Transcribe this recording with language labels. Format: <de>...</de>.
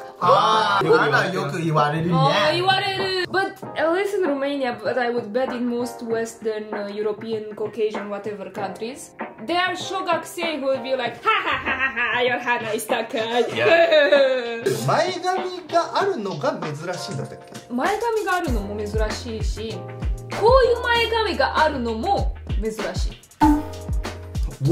<ja>ああ、鼻よく言われるね。言われる。</ja> <en>But I live in Romania, but I would bet in most Western European, Caucasian, whatever countries. There are</en> <ja>小学生</ja> <en>who would be like ハハハハハ、your</en> <ja>鼻</ja> <en>is</en> <ja>高い。前髪があるのが珍しいんだったっけ？前髪があるのも珍しいし、こういう前髪があるのも珍しい。</ja>